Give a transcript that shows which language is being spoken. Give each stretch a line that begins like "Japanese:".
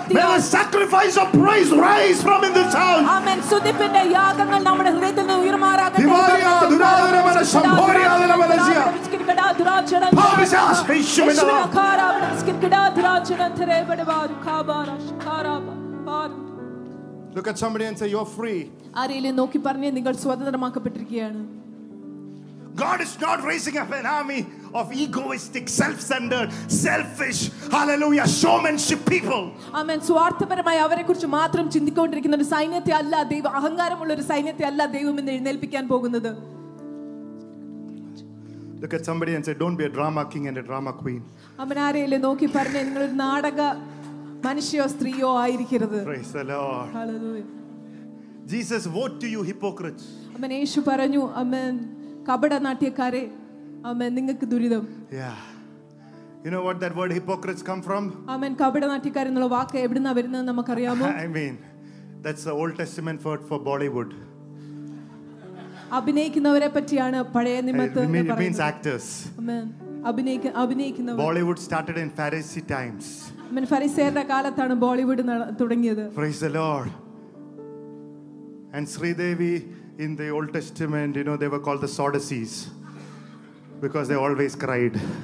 English: May the sacrifice of praise rise from in this house. Look at somebody and say, you're free.
Malayalam: ആരെയും നോക്കി പറഞ്ഞു, നിങ്ങൾ സ്വതന്ത്രമാക്കപ്പെട്ടിരിക്കുകയാണ്.
English: God is not raising up an army of egoistic, self-centered, selfish, hallelujah, showmanship people. Amen.
Malayalam: സ്വാർത്ഥപരമായി അവരെ കുറിച്ച് മാത്രം ചിന്തിക്കൊണ്ടിരിക്കുന്ന ഒരു സൈന്യത്തെ അല്ല ദൈവം, അഹങ്കാരമുള്ള ഒരു സൈന്യത്തെ അല്ല ദൈവം ഇന്ന് എഴുന്നേൽപ്പിക്കാൻ പോകുന്നത്.
English: Look at somebody and say, don't be a drama king and a drama queen.
Malayalam: അവൻ ആരെയും നോക്കി പറഞ്ഞു, നിങ്ങൾ ഒരു നാടക മനുഷ്യയോ സ്ത്രീയോ ആയിരിക്കരുത്.
English: Praise the Lord. Hallelujah. Jesus, woe to you hypocrites.
Malayalam: അവൻ യേശു പറഞ്ഞു, amen. കപടനാട്യക്കാരെ, ആമേൻ, നിങ്ങൾക്ക് ദുരിതം.
English: Yeah. You know what that word hypocrites come from?
Malayalam: ആമേൻ. കപടനാട്യക്കാരൻ എന്ന വാക്ക് എവിടുന്നാണ് വരുന്നതെന്ന് നമുക്കറിയാമോ?
English: I mean, that's the Old Testament word for Bollywood.
Malayalam: അഭിനയിക്കുന്നവരെ പറ്റിയാണ് പഴയ നിയമത്തിൽ പറയുന്നത്.
English: It means actors.
Malayalam: Amen. അഭിനയിക്കുന്നവർ.
English: Bollywood started in Pharisee times.
Malayalam: ആമേൻ. ഫരീസേയരുടെ കാലത്താണ് ബോളിവുഡ് തുടങ്ങിയത്.
English: Praise the Lord. And Sridevi, in the Old Testament, you know, they were called the Sadducees because they always cried.